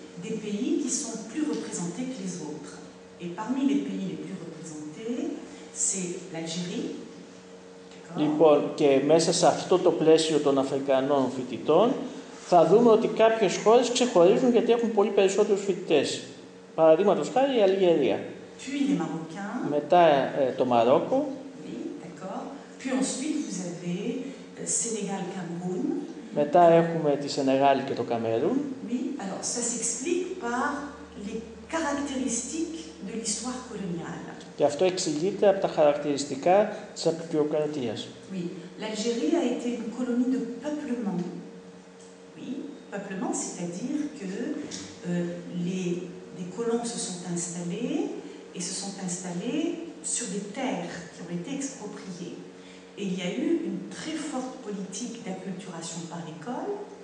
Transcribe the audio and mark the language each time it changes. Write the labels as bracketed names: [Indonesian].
[French] Des pays qui sont plus représentés que les autres. Et parmi les pays les plus représentés, c'est l'Algérie. [Greek] Λοιπόν, και μέσα σε αυτό το πλαίσιο των Αφρικανών φοιτητών, θα δούμε ότι κάποιες χώρες ξεχωρίζουν γιατί έχουν πολύ περισσότερους φοιτητές. Παραδείγματος χάρη η Αλγερία. [French] Puis les Marocains. [Greek] Μετά το Μαρόκο. [French] Oui, d'accord. Puis ensuite vous avez Sénégal, Cameroun. [Greek] Μετά έχουμε τη Σενεγάλη και το Καμερούν. [French] Oui, alors ça s'explique par les caractéristiques de l'histoire coloniale. [Greek] Και αυτό εξηγείται από τα χαρακτηριστικά της αποικιοκρατίας. [French] Oui, l'Algérie a été une colonie de peuplement. Oui, peuplement, c'est-à-dire que les colons se sont installés et se sont installés sur des terres qui ont été expropriées. Et il y a eu une très forte politique d'acculturation par l'école.